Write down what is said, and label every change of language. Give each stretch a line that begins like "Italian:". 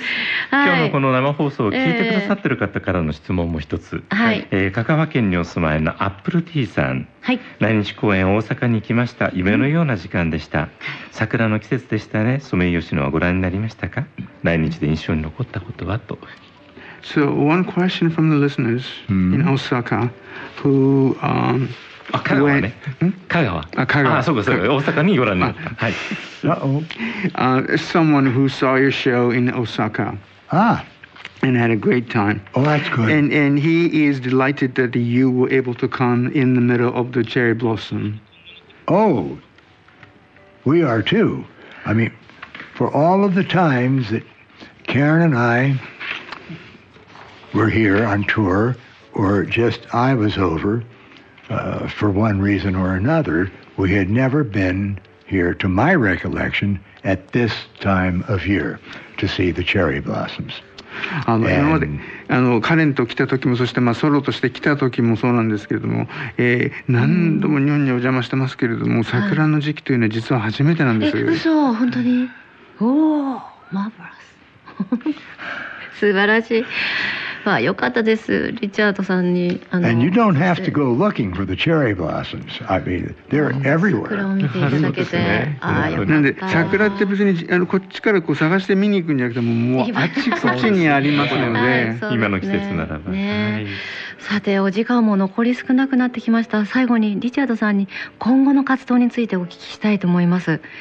Japanese: です、はい、今日のこの生放送を聞いてくださってる方からの質問も一つ、香川県にお住まいのアップルティーさん、来日公演大阪に行きました。夢のような時間でした、桜の季節でしたね。ソメイヨシノはご覧になりましたか。来日で印象に残ったことは、と。
English: So one question from the listeners in Osaka who、someone who saw your show in Osaka. Ah. And had a great time. Oh, that's good. And he is delighted that you were able to come in the middle of the cherry blossom. Oh, we are too. I mean, for all of the times that Karen and I were here on tour, or just I was over,for one reason or another, we had never been here, to my recollection, at this time of year to see the cherry blossoms.
Japanese: あの今まであのカレンと来た時も、そして、まあ、ソロとして来た時もそうなんですけれども、何度も日本にお邪魔してますけれども、桜の時期というのは実は初めてなんですよ。嘘、本当に。おー、マーバラス。素晴らしい。まあ、よかったです、リチャードさんに。あ
English: の And you don't have to go looking for the cherry blossoms. I mean, they're everywhere.
Japanese: 桜を見ていただけて、ね、なんで桜って別にあのこっちからこう探して見に行くんじゃなくて、もうあっちこっちにありますので、ね、今の季節ならば、ね、さて、お時間も残り少なくなってきました。最後にリチャードさんに今後の活動についてお聞きしたいと思います。